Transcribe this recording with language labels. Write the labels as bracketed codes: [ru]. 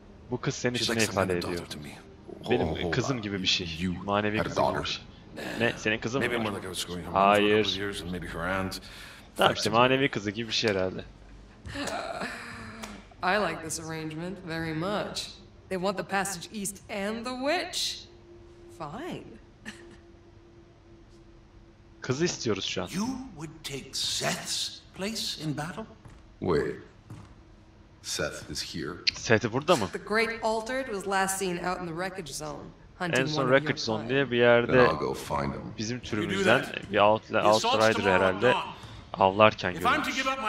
[tr] Bu kız senin için ne ifade ediyor? Benim kızım gibi bir şey. Manevi kızım. Ne? Senin kızın mı? Hayır. Tamam işte, manevi kızı gibi bir şey herhalde. [en] I like this arrangement very much. They want the passage east and the witch. Fine. [tr] Kızı istiyoruz şu an. [en] You would take Seth's place in battle? Wait. Seth is here. [tr] Seth burada mı? [en] The great altered was last seen out in the wreckage zone, hunting [tr] en son wreckage zone diye bir yerde. [en] I'll go find him. [tr] Bizim türümüzden bir outrider herhalde. Avlarken görmüş.